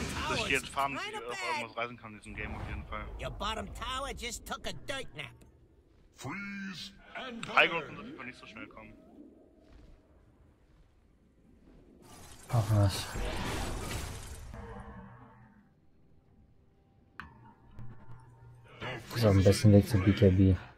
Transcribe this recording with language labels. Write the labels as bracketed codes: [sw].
[de] Dass ich jetzt farmen auf irgendwas reisen kann in diesem Game auf jeden Fall. [en] Your bottom tower just took a dirt nap. Freeze and burn. [de] Heigl kann auf jeden Fall nicht so schnell kommen. Ach was. Das ist auch am besten Weg zu BKB. Wer?